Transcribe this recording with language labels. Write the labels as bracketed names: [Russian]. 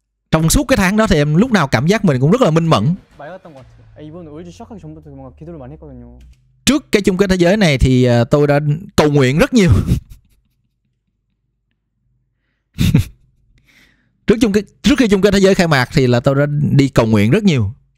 [Vietnamese] Trong suốt cái tháng đó thì em lúc nào cảm giác mình cũng rất là minh mẫn. [Korean] 맑았던 것 같아요. 이번 LG 시작하기 전부터 뭔가 기도를 많이 했거든요. [Vietnamese] Trước cái chung kết thế giới này thì tôi đã cầu nguyện rất nhiều. trước khi chung kết thế giới khai mạc thì là tôi đã đi cầu nguyện rất nhiều.